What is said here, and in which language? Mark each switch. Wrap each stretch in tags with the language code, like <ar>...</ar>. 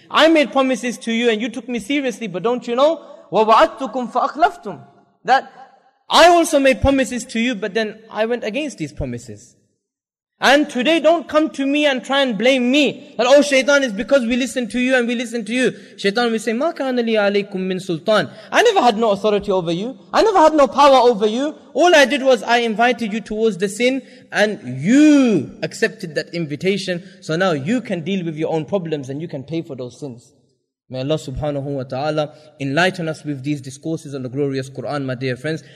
<en>I made promises to you and you took me seriously. But don't you know?</en> <ar>وَوَعَدْتُكُمْ فَأَخْلَفْتُمْ.</ar> <en>That I also made promises to you, but then I went against these promises. And today don't come to me and try and blame me. That, oh, shaitan, is because we listen to you and we listen to you. Shaitan will say,</en> <ar>مَا كَانَ لِي عَلَيْكُمْ مِنْ سُلْطَانِ.</ar> <en>I never had no authority over you. I never had no power over you. All I did was I invited you towards the sin and you accepted that invitation. So now you can deal with your own problems and you can pay for those sins. May Allah subhanahu wa ta'ala enlighten us with these discourses on the glorious Quran, my dear friends.</en>